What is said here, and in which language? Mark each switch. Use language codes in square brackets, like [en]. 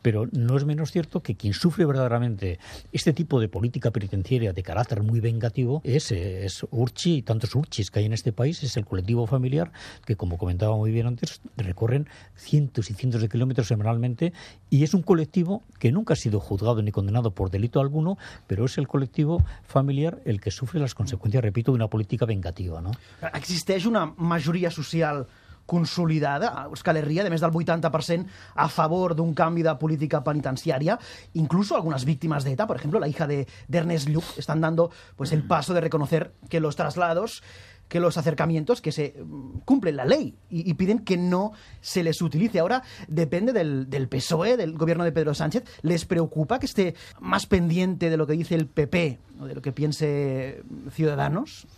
[es] Pero no es menos cierto que quien sufre verdaderamente este tipo de política penitenciaria de carácter muy vengativo es Urchi, y tantos Urchis que hay en este país, es el colectivo familiar que, como comentaba muy bien antes, recorren cientos y cientos de kilómetros semanalmente, y es un colectivo que nunca ha sido juzgado ni condenado por delito alguno, pero es el colectivo familiar el que sufre las consecuencias, repito, de una política vengativa, ¿no? [ca] Existeix una majoria social consolidada a Euskal Herria, de més del 80% a favor d'un canvi de política penitenciària. [es] Incluso algunas víctimas de ETA, por ejemplo, la hija de Ernest Lluch, están dando pues el paso de reconocer que los traslados, que los acercamientos, que se cumple la ley, y piden que no se les utilice. Ahora depende del PSOE, del gobierno de Pedro Sánchez. ¿Les preocupa que esté más pendiente de lo que dice el PP o de lo que piense Ciudadanos?